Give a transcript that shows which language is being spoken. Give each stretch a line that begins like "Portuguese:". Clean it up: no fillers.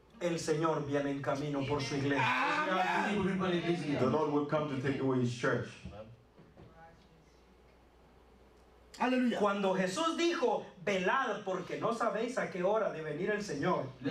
Spanish: el Señor viene en camino por su iglesia.
English: The Lord will come to take away his church.
Spanish: Aleluya. Cuando Jesús dijo, velad porque no sabéis a qué hora de venir el Señor.